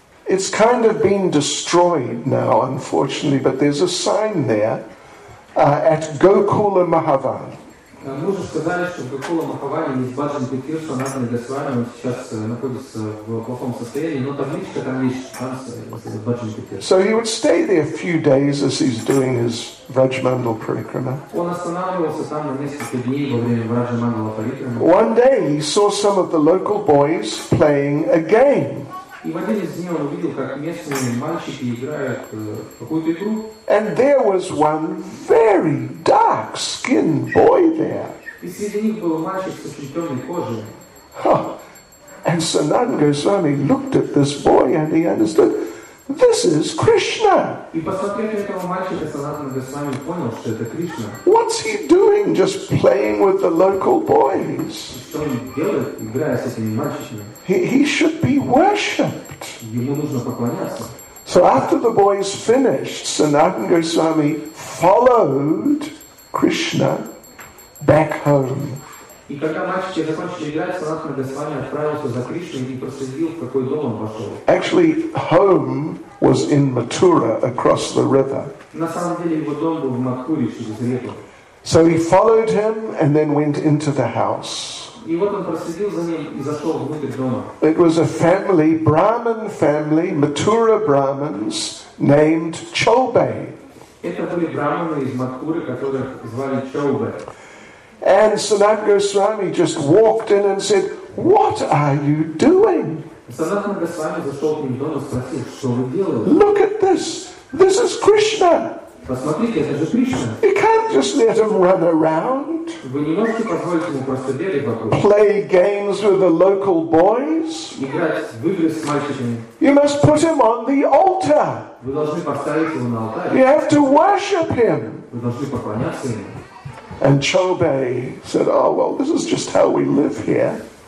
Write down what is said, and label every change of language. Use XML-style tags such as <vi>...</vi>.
<en>It's kind of been destroyed now, unfortunately, but there's a sign there at Gokula Mahavan.</en> <ru>Мы уже сказали, что Гокула Махавани из Баджанги Тирса Анатана Госвами сейчас находится в плохом состоянии, но табличка там есть, там Баджанги Тирса.</ru> <en>So he would stay there a few days as he's doing his Vrajmandal Parikrama.</en> <ru>Он останавливался там на несколько дней во время Vrajmandala Parikrama.</ru> <en>One day he saw some of the local boys playing a game.</en> <ru>И в один из дней он увидел, как местные мальчики играют какую-то игру.</ru> <en>And there was one very dark-skinned boy there.</en> <ru>И среди них был мальчик с очень темной кожей.</ru> <en>And Sanatana Goswami looked at this boy and he understood, this is Krishna.</en> <ru>И посмотрев на этого мальчика, Sanatana Goswami понял, что это Кришна.</ru> <en>What's he doing just playing with the local boys?</en> <ru>Что он делает, играя с этими мальчиками?</ru> <en>He should be worshipped.</en> <ru>Ему нужно поклоняться.</ru> <en>So after the boys finished, Sanatana Goswami followed Krishna back home.</en> <ru>И когда мальчики закончили играть, Sanatana Goswami отправился за Кришной и проследил, в какой дом он пошел.</ru> <en>Actually, home was in Mathura across the river.</en> <ru>На самом деле его дом был в Матхуре через реку.</ru> <en>So he followed him and then went into the house.</en> <ru>И вот он проследил за ним и зашел внутрь дома.</ru> <en>It was a family, Brahmin family, Mathura Brahmins, named Chobe.</en> <ru>Это были брахманы из Матхуры, которых звали Чобе.</ru> <en>And Sanatana Goswami just walked in and said, "What are you doing?"</en> <ru>Sanatana Goswami зашел к ним в дом и спросил, что вы делаете?</ru> <en>Look at this. This is Krishna.</en> <ru>Посмотрите, это же Кришна.</ru> <en>You can't just let him run around.</en> <ru>Вы не можете позволить ему просто бегать вокруг.</ru> <en>Play games with the local boys.</en> <ru>Играть в игры с мальчиками.</ru> <en>You must put him on the altar.</en> <ru>Вы должны поставить его на алтарь.</ru> <en>You have to worship him.</en> <ru>Вы должны поклоняться ему.</ru> <en>And Chobe said, "Oh well, this is just how we live here."</en>